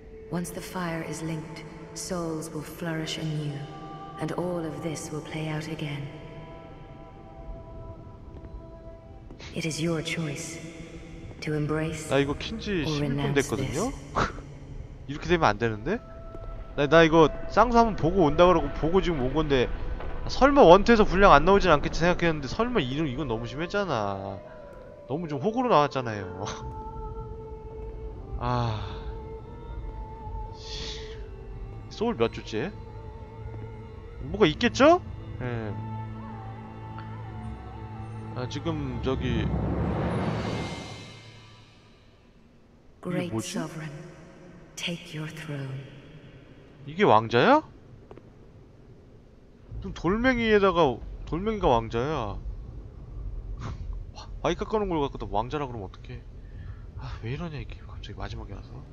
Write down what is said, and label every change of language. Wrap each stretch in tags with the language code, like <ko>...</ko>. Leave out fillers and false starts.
<en>Once the fire is linked, souls will flourish anew, and all of this will play out again. It is your choice to embrace.</en> <ko>나 이거 킨지 10분 됐거든요. 이렇게 되면 안 되는데? 나 이거 쌍수 한번 보고 온다 그러고 보고 지금 온 건데 설마 원투에서 분량 안 나오진 않겠지 생각했는데 설마 이건 너무 심했잖아. 너무 좀 호구로 나왔잖아요. 아. 소울 몇 주째? 뭐가 있겠죠? 예. 네. 아, 지금 저기</ko> <en>Great Sovereign, take your throne.</en> <ko>이게 왕자야? 좀 돌멩이에다가 돌멩이가 왕자야. 바이 깎아놓은 걸 갖고 또 왕자라 그러면 어떡해. 아, 왜 이러냐 이게 갑자기 마지막에 와서.</ko>